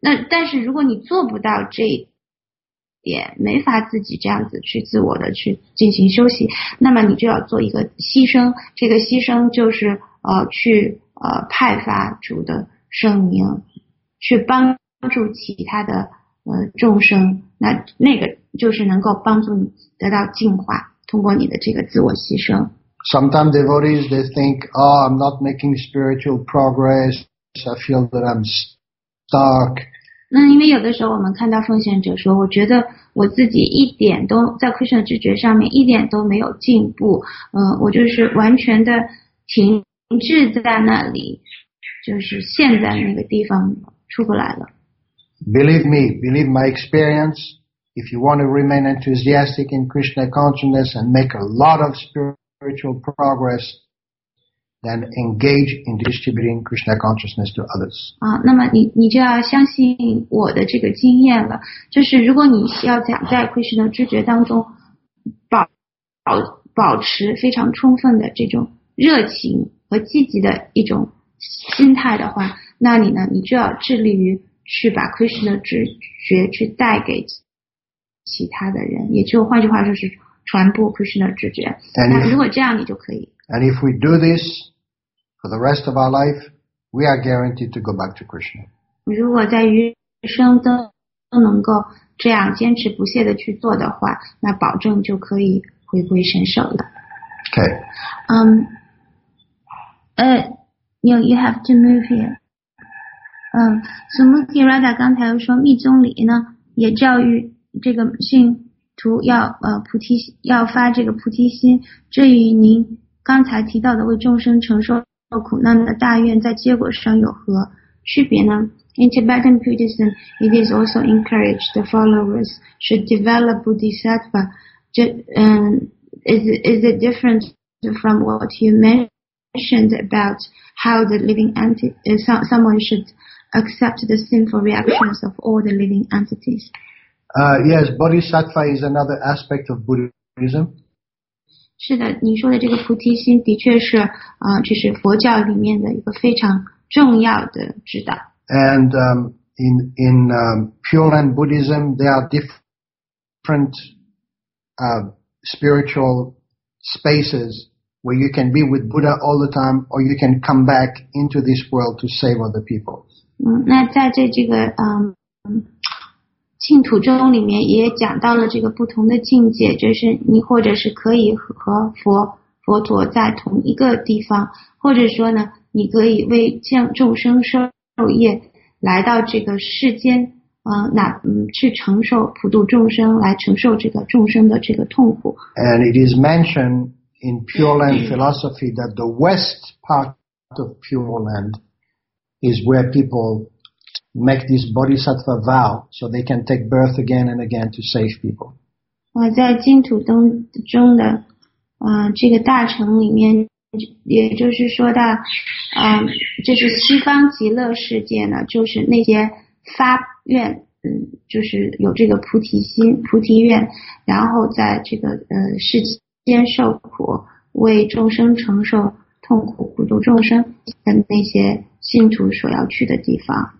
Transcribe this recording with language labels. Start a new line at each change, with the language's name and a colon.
Chinese: 但是如果你做不到这一点，没法自己这样子去自我的去进行休息，那么你就要做一个牺牲。这个牺牲就是去派发主的圣名，去帮助其他的众生，那个就是能够帮助你得到净化，通过你的这个自我牺牲。
English: Sometimes devotees they think, "Oh, I'm not making spiritual progress. I feel that I'm stuck."
Chinese: 那因为有的时候我们看到奉献者说，我觉得我自己一点都在 Krishna 知觉上面一点都没有进步，我就是完全的停滞在那里，就是陷在那个地方出不来了。
English: Believe me, believe my experience. If you want to remain enthusiastic in Krishna consciousness and make a lot of spiritual progress. Then engage in distributing Krishna consciousness to others.
Chinese: 啊，那么你就要相信我的这个经验了。就是如果你要想在 Krishna 知觉当中保持非常充分的这种热情和积极的一种心态的话，那你呢，你就要致力于去把 Krishna 知觉去带给其他的人，也就换句话说是传播 Krishna 知觉。那如果这样，你就可以。
English: And if we do this for the rest of our life, we are guaranteed to go back to Krishna.
Chinese: 如果在余生都能够这样坚持不懈的去做的话，那保证就可以回归神手了。
English: Okay. You have to move here.
Chinese: Sumukhi Radha 刚才又说，密宗里呢也教育这个信徒要菩提，要发这个菩提心，至于您。刚才提到的为众生承受苦难的大愿，在结果上有何区别呢？
English: In Tibetan Buddhism, it is also encouraged the followers should develop bodhisattva. Is it different from what you mentioned about how the living someone should accept the sinful reactions of all the living entities? Yes, bodhisattva is another aspect of Buddhism.
Chinese: 是的，你说的这个菩提心的确是，就是佛教里面的一个非常重要的指导。
English: And in Pure Land Buddhism, there are different spiritual spaces where you can be with Buddha all the time, or you can come back into this world to save other people.
Chinese: 那在净土中里面也讲到了这个不同的境界，就是你或者是可以和佛陀在同一个地方，或者说呢，你可以为众生受业来到这个世间，去承受普度众生，来承受这个众生的这个痛苦。
English: And it is mentioned in Pure Land philosophy that the west part of Pure Land is where people make this bodhisattva vow so they can take birth again and again to save people.
Chinese: 在净土中的这个大乘里面，也就是说到就是西方极乐世界呢，就是那些发愿，就是有这个菩提心、菩提愿，然后在这个世间受苦，为众生承受痛苦，普度众生的那些信徒所要去的地方。